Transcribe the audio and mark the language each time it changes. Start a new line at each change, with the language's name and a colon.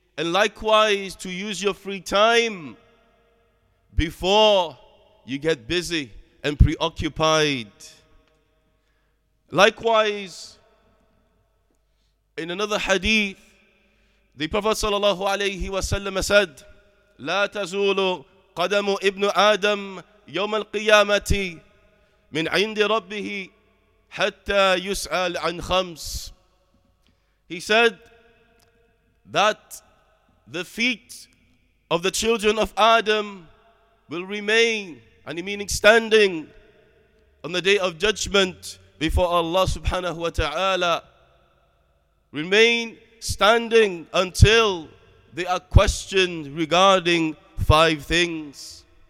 English: And likewise, to use your free time before you get busy and preoccupied. Likewise, in another hadith, the Prophet sallallahu alayhi wa sallam said,
Arabic: لا تزول قدم ابن آدم يوم القيامة من عند ربه حتى يسأل عن خمس.
English: He said that the feet of the children of Adam will remain, and meaning standing, on the day of judgment before Allah subhanahu wa ta'ala, remain standing until they are questioned regarding five things.